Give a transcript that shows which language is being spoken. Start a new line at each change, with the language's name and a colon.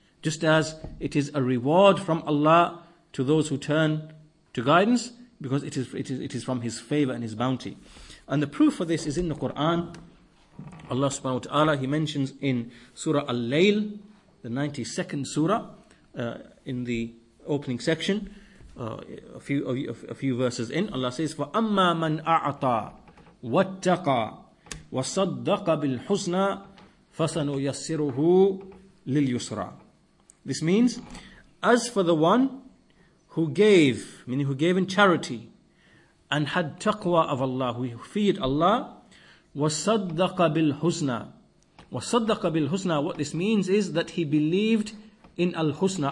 English: Just as it is a reward from Allah to those who turn to guidance, because it is from His favor and His bounty. And the proof for this is in the Quran. Allah subhanahu wa ta'ala, He mentions in Surah Al-Layl, the 92nd surah in the opening section, a few verses in. Allah says,
Arabic: فَأَمَّا مَنْ أَعْطَى وَاتَّقَى وَصَدَّقَ بِالْحُسْنَى فَسَنُيَسِّرُهُ لِلْيُسْرَى.
English: This means, as for the one who gave, meaning who gave in charity, and had taqwa of Allah, who feared Allah,
Arabic: وَصَدَّقَ بِالْحُسْنَى. وَصَدَّقَ بِالْحُسْنَى,
English: what this means is that he believed in Al-Husna.